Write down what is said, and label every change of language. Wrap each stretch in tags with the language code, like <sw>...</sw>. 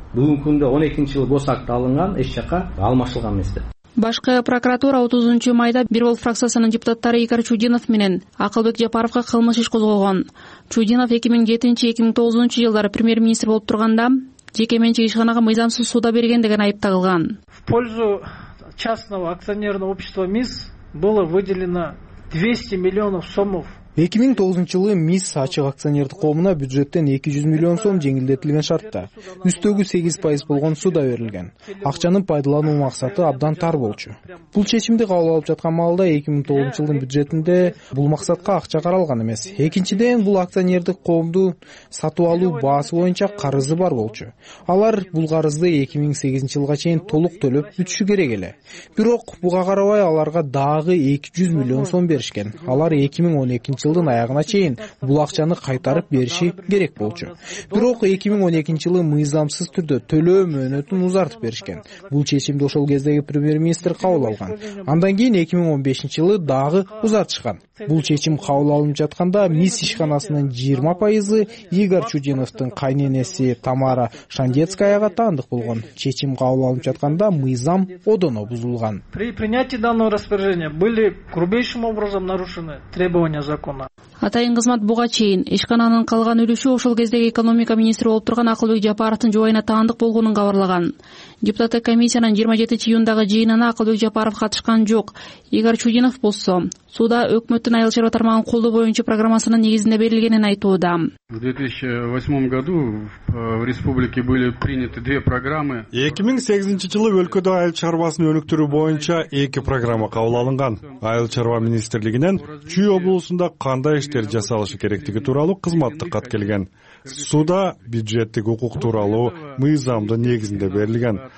<ky>Бүгүнкү күндө 12 жылы госакты алынган, эч жака алмашылган эмес. Башкы прокуратура 30 майда бир бол фракциясынын депутаттары Игорь Чудинов менен Акылбек Жапаровго кылмыш иш козголгон. Чудинов 2007-2009 жылдары премьер-министр болуп турганда жеке менчик ишканага мыйзамсыз соода берген деген айып тагылган.</ky> <ru>В пользу частного акционерного общества МИС было выделено 200 миллионов сомов.</ru> <ky>2009 жылы МИС ачык акционердик коомуна бюджеттен 200 миллион сом жеңилдетилген шартта үстөгү 8% болгон суда берилген. Акчанын пайдалануу максаты абдан тар болчу. Бул чечимди кабыл алып жаткан маалда 2009 жылдын бюджетинде бул максатка акча каралган эмес. Экинчиден бул акционердик коомду сатып алуу баасы боюнча карызы бар болчу. Алар бул карызды 2008 жылга чейин толук төлөп бүтүшү керек эле. Бирок буга карабай аларга дагы 200 миллион сом беришкен. Алар 2012 жылдын аягына чейин бул акчаны кайтарып бериши керек болчу. Бирок 2012 жылы мыйзамсыз түрдө төлөө мөөнөтүн узартып беришкен. Бул чечимди ошол кездеги премьер-министр кабыл алган. Андан кийин 2015 жылы дагы узартышкан. Бул чечим кабыл алынып жатканда МИС ишканасынын 20% Игорь Чудиновдун кайненеси Тамара Шандецкаяга таандык болгон. Чечим кабыл алынып жатканда мыйзам одоно бузулган.</ky> <ru>При принятии данного распоряжения были грубейшим образом нарушены требования закона.</ru> <ky>Атайын кызмат буга чейин ишкананын калган үлүшү ошол кездеги экономика министри болуп турган Акылбек Жапаровдун жубайына таандык болгонун кабарлаган. Депутаты комиссиянын 27 июндагы жыйынына Акылбек Жапаров катышкан жок. Игорь Чудинов болсо, сууда өкмөттүн айыл чарба тармагын колдоо боюнча программасынын негизинде берилгенин айтууда.</ky> <ru>В 2008 году в республике были приняты две программы.</ru> <ky>2008 жылы өлкөдө айыл чарбасын өнүктүрүү боюнча эки программа кабыл алынган. Айыл чарба министрлигинен Чүй облусунда кандай иштер жасалышы керектиги тууралуу кызматтык кат келген. Сууда бюджеттик укук тууралуу мыйзамдын негизинде берилген.</ky>